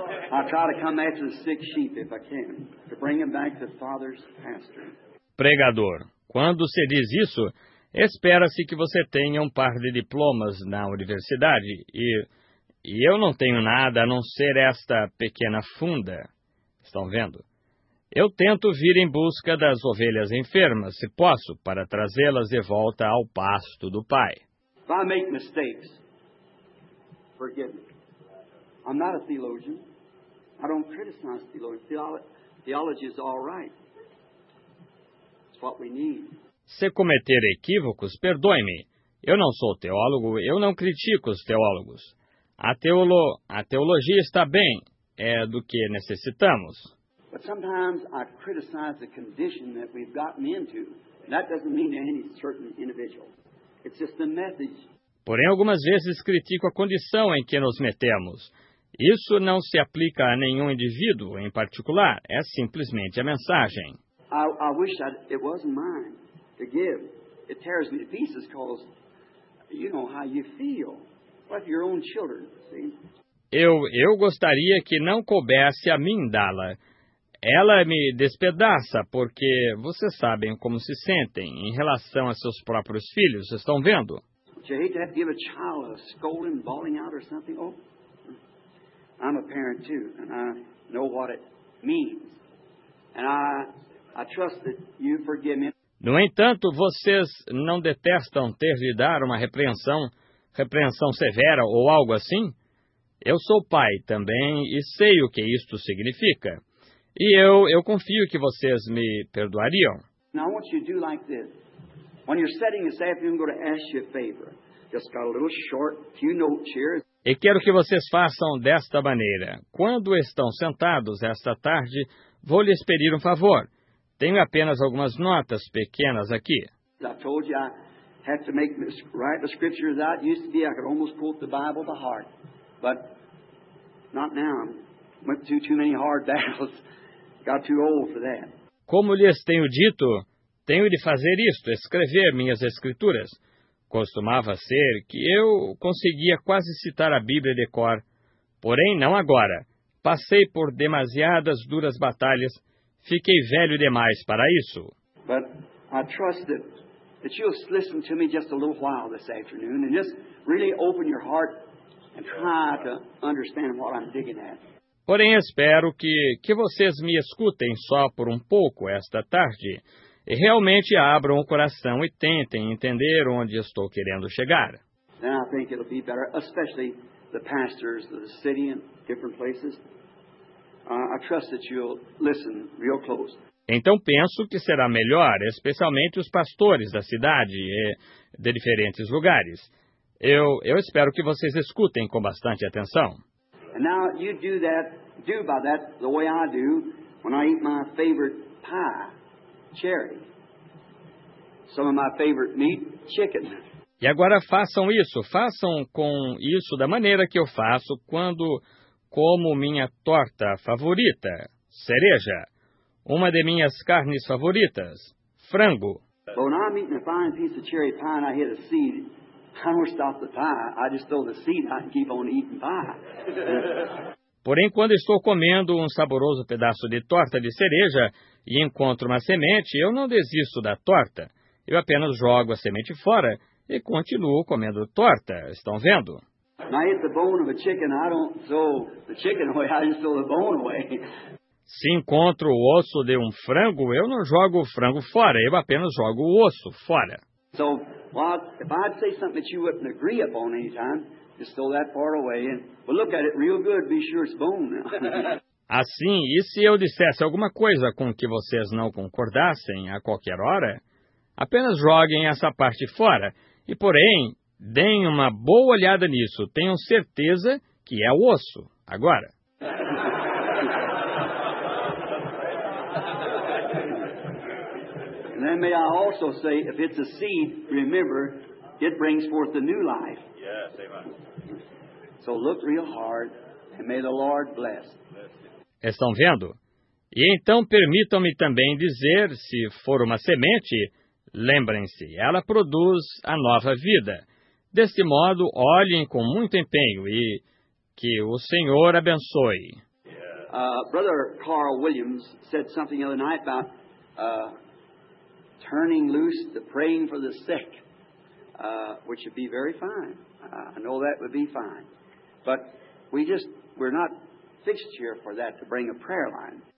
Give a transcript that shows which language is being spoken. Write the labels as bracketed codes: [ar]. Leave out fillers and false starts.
[en] I try to come after the sick sheep if I can, to bring them back to the father's pasture. [pt] Pregador, quando se diz isso, espera-se que você tenha um par de diplomas na universidade, e eu não tenho nada a não ser esta pequena funda. Estão vendo? Eu tento vir em busca das ovelhas enfermas, se posso, para trazê-las de volta ao pasto do Pai. [en] If I make mistakes, forgive me. I'm not a theologian. I don't criticize theologians. Theology is all right. It's what we need. [pt] Se cometer equívocos, perdoe-me. Eu não sou teólogo, eu não critico os teólogos. A teologia está bem, é do que necessitamos. [en] But sometimes I criticize the condition that we've gotten into. That doesn't mean any certain individual. It's just the message. [pt] Porém, algumas vezes critico a condição em que nos metemos. Isso não se aplica a nenhum indivíduo em particular, é simplesmente a mensagem. [en] I wish it wasn't mine. To give, it tears me to pieces because you know how you feel. Like your own children, see? [pt] Eu gostaria que não coubesse a mim dá-la. Ela me despedaça porque vocês sabem como se sentem em relação a seus próprios filhos. Estão vendo? [en] Don't you hate to have to give a child a scolding, bawling out or something? Oh, I'm a parent too, and I know what it means. And I trust that you forgive me. [pt] No entanto, vocês não detestam ter de dar uma repreensão severa ou algo assim? Eu sou pai também e sei o que isto significa. E eu confio que vocês me perdoariam. [en] Now I want you to do like this. When you're setting this up, I'm going to ask you a favor. Just got a little short few notes here. [pt] E quero que vocês façam desta maneira. Quando estão sentados esta tarde, vou lhes pedir um favor. Tenho apenas algumas notas pequenas aqui. [en] I told you I had to make write the scriptures out. Used to be I could almost quote the Bible by heart, but not now. I went through too many hard battles. Got too old for that. [pt] Como lhes tenho dito, tenho de fazer isto, escrever minhas escrituras. Costumava ser que eu conseguia quase citar a Bíblia de cor, porém não agora. Passei por demasiadas duras batalhas, fiquei velho demais para isso. [en] But I trust that you'll listen to me just a little while this afternoon and just really open your heart and try to understand what I'm digging at. [pt] Porém, espero que vocês me escutem só por um pouco esta tarde e realmente abram o coração e tentem entender onde estou querendo chegar. [en] Then I think it'll be better, especially the pastors of the city and different places. I trust that you'll listen real close. [pt] Então penso que será melhor, especialmente os pastores da cidade e de diferentes lugares. Eu espero que vocês escutem com bastante atenção. [en] And now you do by that the way I do when I eat my favorite pie, cherry. Some of my favorite meat, chicken. [pt] E agora façam isso da maneira que eu faço quando como minha torta favorita, cereja. Uma de minhas carnes favoritas, frango. [en] So when I'm eating a fine piece of cherry pie and I hit a seed, I don't stop the pie, I just throw the seed out and keep on eating pie. [pt] Porém, quando estou comendo um saboroso pedaço de torta de cereja e encontro uma semente, eu não desisto da torta. Eu apenas jogo a semente fora e continuo comendo torta. Estão vendo? [en] I eat the bone of a chicken, I don't throw the chicken away, I just throw the bone away. [pt] Se encontro o osso de um frango, eu não jogo o frango fora, eu apenas jogo o osso fora. [en] So, well, if I'd say something that you wouldn't agree upon any time, just throw that part away and well, look at it real good, be sure it's bone. [pt] Assim, e se eu dissesse alguma coisa com que vocês não concordassem a qualquer hora, apenas joguem essa parte fora. E porém, deem uma boa olhada nisso, tenham certeza que é o osso. Agora. [en] And then may I also say, if it's a seed, remember, it brings forth a new life. Yes, amen. So look real hard, and may the Lord bless. [pt] Estão vendo? E então permitam-me também dizer, se for uma semente, lembrem-se, ela produz a nova vida. Deste modo, olhem com muito empenho e que o Senhor abençoe. [en] Brother Carl Williams said something the other night about turning loose the praying for the sick, which would be very fine. I know that would be fine. But we're not fixed here for that to bring a prayer line.